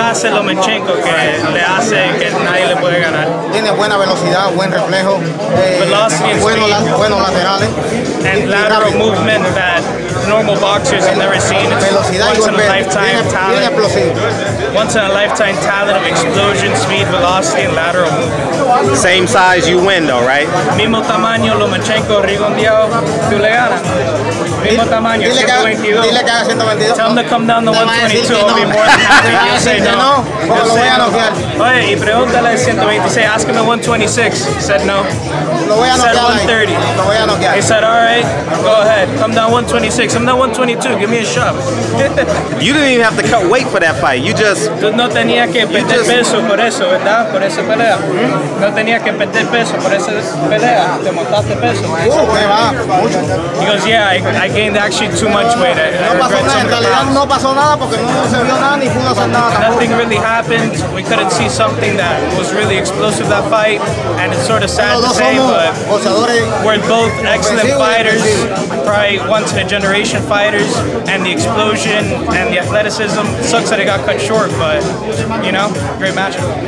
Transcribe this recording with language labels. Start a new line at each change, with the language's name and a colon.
Spanish: ¿Qué hace Lomachenko que le hace que nadie le puede ganar? Tiene buena velocidad, buen reflejo.
English: Velocity and speed.
Spanish: Buenos laterales.
English: And lateral movement that normal boxers have never seen.
Spanish: Velocidad
English: once in a lifetime talent.
Spanish: Bien explosivo.
English: Once in a lifetime talent of explosion, speed, velocity, and lateral movement. Same size, you win though, right?
Spanish: Mismo tamaño, Lomachenko, Rigo, tú le ganas. Mismo tamaño, 122. Dile que haga 122.
English: Tell him to come down to 122, I'll be more than happy. You say no.
Spanish: Oye, y pregúntale 126,
English: ask him at 126. He said no. He said 130.
Spanish: Lo voy a noquear.
English: He said, all right, go ahead. Come down 126. Come down 122. Give me a shot. You didn't even have to cut weight for that fight. You just...
Spanish: Tú no tenías que perder peso por eso, ¿verdad? Por esa pelea. No tenías que perder peso por esa pelea. Te montaste peso.
English: He goes, yeah, I gained actually too much weight.
Spanish: No pasó nada. En realidad no pasó nada porque no se vio nada ni pudo hacer nada.
English: Nothing really happened. We couldn't see something that was really explosive that fight. And it's sort of sad to say, but we're both excellent fighters, probably once in a generation fighters, and the explosion and the athleticism. Sucks that it got cut short, but you know, great matchup.